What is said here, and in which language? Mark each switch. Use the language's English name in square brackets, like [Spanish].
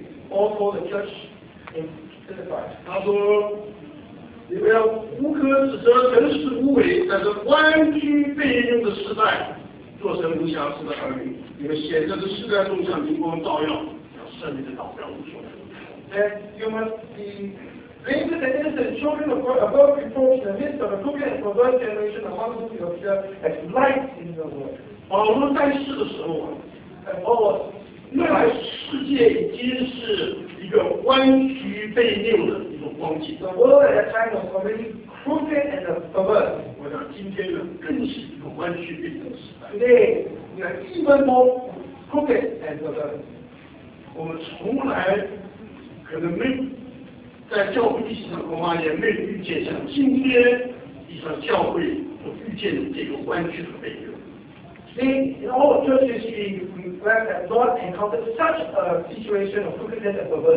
[English] Also the church in Philippi. [Chinese] 他说：“你们要无可指责，诚实无伪，在这弯曲背逆的时代，做神无瑕疵的儿女。你们显着这世代中像明光照耀，像圣灵的祷告无所求。” [English] That you must be blameless and innocent children of God, above reproach in the midst of a crooked and perverse generation, among whom you appear as light in the [Chinese] 保罗在世的时候，包括那个世界已经是一个弯曲背拧的一种光景。 [English] The world at that time was already crooked and perverse。 [Chinese] 我想今天呢，更是一个弯曲背拧的时代。 [English] Today, even more crooked and perverse。 [Chinese] 我们从来可能没在教会历史上恐怕也没遇见像今天历史上教会所遇见的这个弯曲的背拧。 [English] See, in all churches, we have not encountered such a situation of crookedness and perversion.